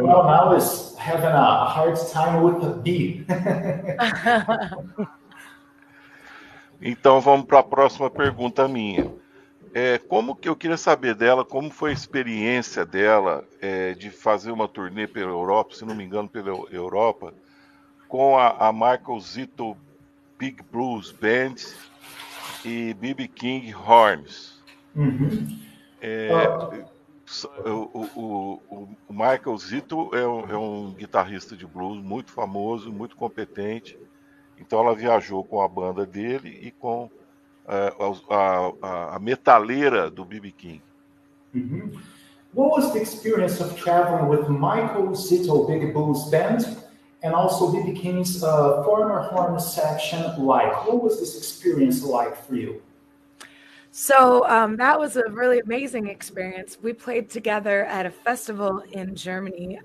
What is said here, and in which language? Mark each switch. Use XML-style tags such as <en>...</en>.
<en>Well, I was having a hard time with the bee.</en> <pt>Então, vamos para a próxima pergunta minha. Como que eu queria saber dela, como foi a experiência dela de fazer uma turnê pela Europa, se não me engano, pela Europa, com a Michael Zito Big Blues Band e B.B. King Horns. Uhum. O Michael Zito é um guitarrista de blues muito famoso, muito competente. Então ela viajou com a banda dele e com a metaleira do B.B. King. Uhum.</pt> <en>What was the experience of traveling with Michael Zito Big Blues Band and also B.B. King's former horn section like? What was this experience like for you? So that was a really amazing experience. We played together at a festival in Germany.</en>